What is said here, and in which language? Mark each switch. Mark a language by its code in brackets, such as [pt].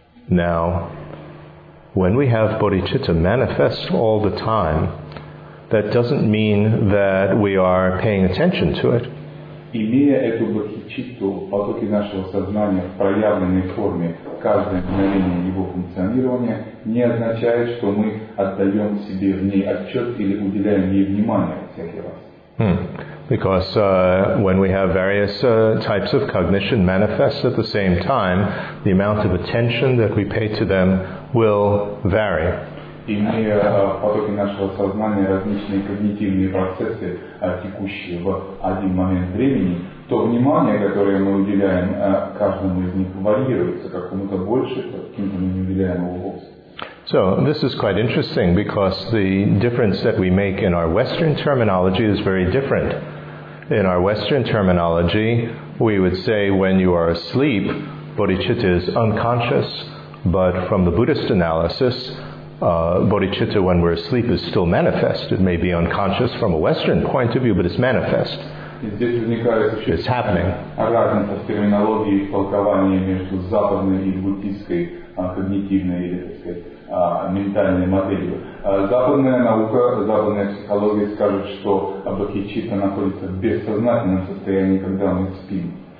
[en] Now, when we have bodhicitta manifest all the time, that doesn't mean that we are paying attention to it. [ru] имея эту бодхичитту, потоки нашего сознания в проявленной форме, каждое мгновение его функционирования, не означает, что мы отдаем себе в ней отчет или уделяем ей внимание всякий раз. [en] Because when we have various types of cognition manifest at the same time, the amount of attention that we pay to them will vary. [ru] Имея потоки нашего сознания различные когнитивные процессы, текущие в один момент времени, то внимание, которое мы уделяем каждому из них, варьируется, как кому-то больше, каким-то мы не уделяем его вовсе. [en] So this is quite interesting because the difference that we make in our Western terminology is very different. In our Western terminology, we would say when you are asleep, bodhicitta is unconscious, but from the Buddhist analysis, bodhicitta when we're asleep is still manifest. It may be unconscious from a Western point of view, but it's manifest. It's happening. [ru] Разница в терминологии толкования между западной и буддийской когнитивной или, так сказать, ментальной моделью. Западная наука, западная психология скажет, что бодхичитта находится в бессознательном состоянии, когда мы спим.